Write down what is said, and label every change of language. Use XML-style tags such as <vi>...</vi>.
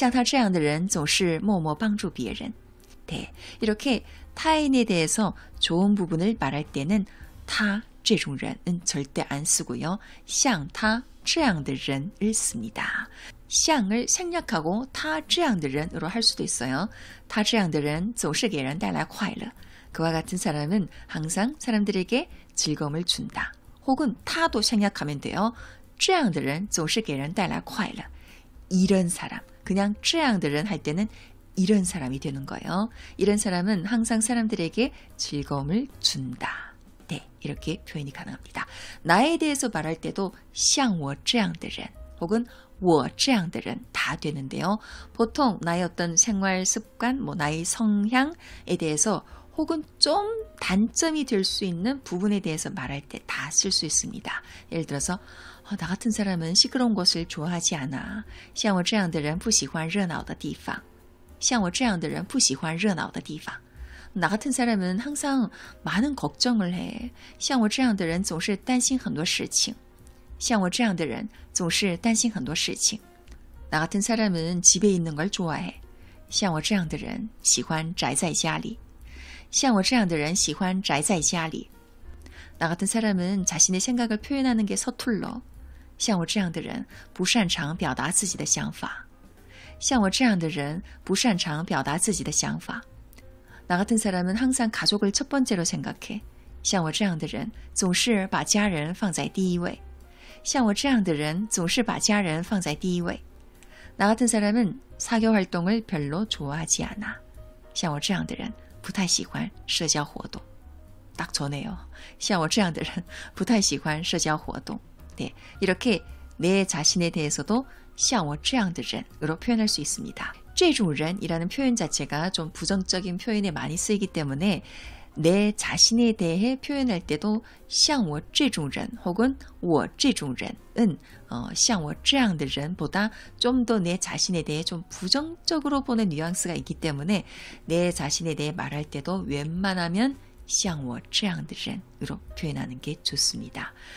<zh>像他这样的人总是默默帮助别人。像他这样的人总是默默帮助别人.</zh> <ko>네, 이렇게 타인에 대해서 좋은 부분을 말할 때는 他这种人은 절대 안 쓰고요. 像他这样的人을 씁니다. 像을 생략하고 他这样的人으로 할 수도 있어요.</ko> <zh>他这样的人总是给人带来快乐.</zh> <ko>그와 같은 사람은 항상 사람들에게 즐거움을 준다. 혹은 他도 생략하면 돼요.</ko> <zh>这样的人总是给人带来快乐.</zh> <ko>이런 사람, 그냥 这样的人 할 때는 이런 사람이 되는 거예요. 이런 사람은 항상 사람들에게 즐거움을 준다. 네, 이렇게 표현이 가능합니다. 나에 대해서 말할 때도 像我这样的人 혹은 我这样的人 다 되는데요. 보통 나의 어떤 생활 습관, 뭐 나의 성향에 대해서 혹은 좀 단점이 될 수 있는 부분에 대해서 말할 때 다 쓸 수 있습니다. 예를 들어서 나 같은 사람은 시끄러운 곳을 좋아하지 않아.</ko> <zh>像我这样的人不喜欢热闹的地方.像我这样的人不喜欢热闹的地方.</zh> <ko>나 같은 사람은 항상 많은 걱정을 해.</ko> <zh>像我这样的人总是担心很多事情.像我这样的人总是担心很多事情.</zh> <ko>나 같은 사람은 집에 있는 걸 좋아해.</ko> <zh>像我这样的人喜欢宅在家里.像我这样的人喜欢宅在家里.</zh> <ko>나 같은 사람은 자신의 생각을 표현하는 게 서툴러.</ko> <zh>像我这样的人不擅长表达自己的想法. 像我这样的人不擅长表达自己的想法.</zh> <ko>나 같은 사람은 항상 가족을 첫 번째로 생각해.</ko> <zh>像我这样的人总是把家人放在第一位. 像我这样的人总是把家人放在第一位.</zh> <ko>나 같은 사람은 사교 활동을 별로 좋아하지 않아.</ko> <zh>像我这样的人不太喜欢社交活动.</zh> <ko>딱 좋네요.</ko> <zh>像我这样的人不太喜欢社交活动.</zh> <ko>네, 이렇게 내 자신에 대해서도 像我这样的人으로 표현할 수 있습니다. 这种人이라는 표현 자체가 좀 부정적인 표현에 많이 쓰이기 때문에 내 자신에 대해 표현할 때도 像我这种人 혹은 我这种人은 像我这样的人보다 좀 더 내 자신에 대해 좀 부정적으로 보는 뉘앙스가 있기 때문에 내 자신에 대해 말할 때도 웬만하면 像我这样的人으로 표현하는 게 좋습니다.</ko>